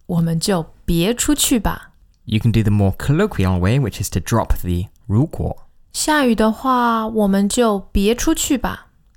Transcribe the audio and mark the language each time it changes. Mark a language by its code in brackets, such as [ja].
[zh] 如果下雨的话我们就别出去吧. [en] You can do the more colloquial way, which is to drop the 如果. [zh] 下雨的话我们就别出去吧.